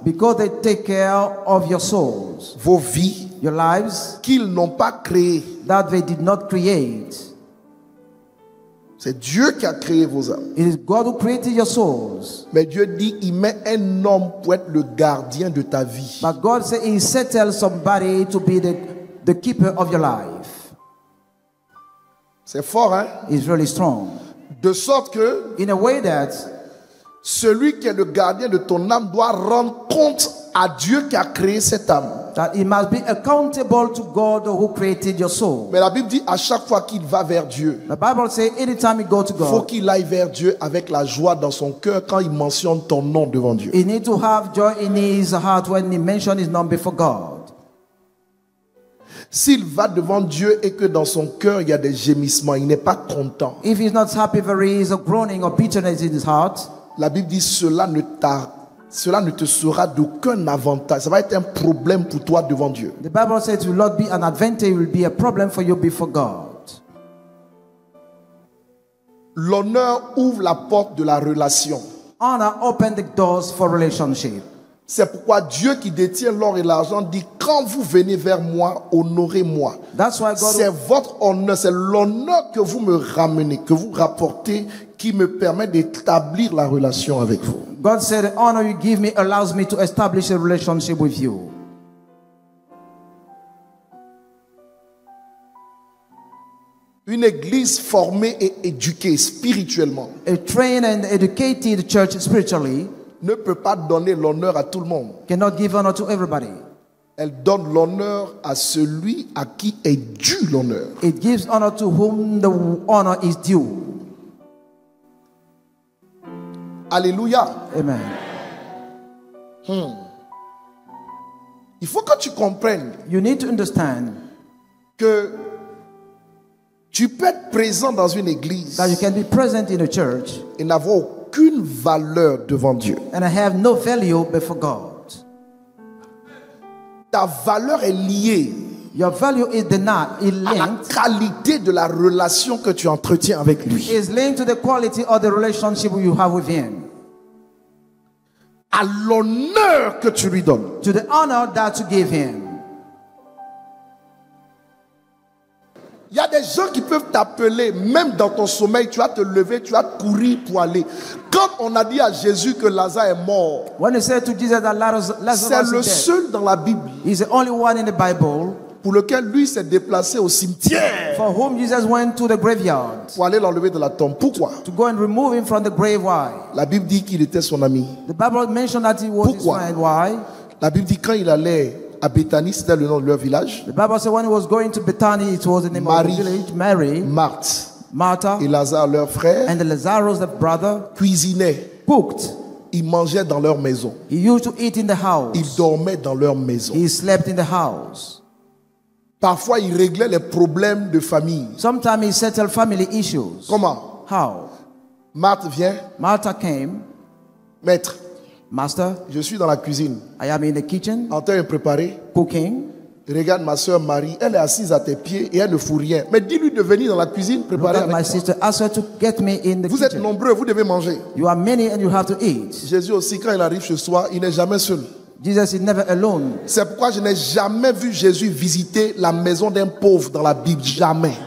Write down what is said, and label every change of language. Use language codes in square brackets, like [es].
[en] Because they take care of your souls. [fr] Vos vies. [en] Your lives. [fr] Qu'ils n'ont pas créé. [en] That they did not create. [fr] C'est Dieu qui a créé vos âmes. [en] It is God who created your souls. [fr] Mais Dieu dit, il met un homme pour être le gardien de ta vie. [en] But God said, he settles somebody to be the keeper of your life. [fr] C'est fort, hein? [en] It's really strong. [fr] De sorte que, [en] in a way that, [fr] celui qui est le gardien de ton âme doit rendre compte à Dieu qui a créé cette âme. [en] That he must be accountable to God who created your soul. [fr] Mais la Bible dit à chaque fois qu'il va vers Dieu. [en] The Bible says anytime he goes to God. [fr] Faut qu'il aille vers Dieu avec la joie dans son cœur quand il mentionne ton nom devant Dieu. [en] He need to have joy in his heart when he mentions his name before God. [fr] S'il va devant Dieu et que dans son cœur il y a des gémissements, il n'est pas content. [en] If he's not happy, there is a groaning or bitterness in his heart. [fr] La Bible dit cela ne te sera d'aucun avantage. Ça va être un problème pour toi devant Dieu. [en] The Bible says it will not be an advantage, it will be a problem for you before God. [fr] L'honneur ouvre la porte de la relation. [en] Honor opens the doors for relationship. [fr] C'est pourquoi Dieu qui détient l'or et l'argent dit, quand vous venez vers moi, honorez-moi. [en] That's why God, [fr] c'est votre honneur, c'est l'honneur que vous me ramenez, que vous rapportez, qui me permet d'établir la relation avec vous. [en] God said, the honor you give me allows me to establish a relationship with you. [fr] Une église formée et éduquée spirituellement. [en] A trained and educated church spiritually. [fr] Ne peut pas donner l'honneur à tout le monde. [en] Cannot give honor to everybody. [fr] Elle donne l'honneur à celui à qui est dû l'honneur. [en] It gives honor to whom the honor is due. Alléluia. Amen. [fr] Il faut que tu comprennes. [en] You need to understand [fr] que tu peux être présent dans une église. [en] That you can be present in a church. [fr] Et n'avoir aucune valeur devant Dieu. [en] And I have no value before God. [fr] Ta valeur est liée. [en] Your value is denied, is linked. [fr] À la qualité de la relation que tu entretiens avec lui. [en] Is linked to the quality of the relationship you have with him. [fr] À l'honneur que tu lui donnes. [en] To the honor that you give him. [fr] Il y a des gens qui peuvent t'appeler, même dans ton sommeil, tu vas te lever, tu vas courir pour aller. Quand on a dit à Jésus que Lazare est mort, [en] when he said to Jesus that Lazarus [fr] c'est le seul dans la Bible, [en] he's the only one in the Bible, [fr] pour lequel lui s'est déplacé au cimetière, [en] for whom Jesus went to the graveyard, [fr] pour aller l'enlever de la tombe. Pourquoi? [en] To go and remove him from the grave. Why? [fr] La Bible dit qu'il était son ami. [en] The Bible mentioned that he was [fr] pourquoi? [en] His friend. Why? [fr] La Bible dit quand il allait à Bethany, c'était le nom de leur village. [en] The Bible said when he was going to Bethany, it was the name [fr] Marie, [en] of the village. Mary, Martha, [fr] et Lazare leur frère, [en] and Lazarus the brother, [fr] cuisinaient, [en] cooked. [fr] Ils mangeaient dans leur maison. [en] He used to eat in the house. [fr] Ils dormaient dans leur maison. [en] He slept in the house. [fr] Parfois, ils réglaient les problèmes de famille. [en] Sometimes he settled family issues. [fr] Comment? [en] How? [fr] Martha vient. [en] Martha came. [fr] Maître. [en] Master, [fr] je suis dans la cuisine. [en] I am in the kitchen. [fr] En train de préparer. [en] Cooking. [fr] Regarde ma sœur Marie, elle est assise à tes pieds et elle ne fout rien. Mais dis-lui de venir dans la cuisine préparer avec [en] my [fr] moi. Sister, ask her to get me in the vous Vous êtes nombreux, vous devez manger. [en] You are many and you have to eat. [fr] Jésus aussi, quand il arrive chez soi, il n'est jamais seul. [en] Jesus is never alone. [fr] C'est pourquoi je n'ai jamais vu Jésus visiter la maison d'un pauvre dans la Bible, jamais.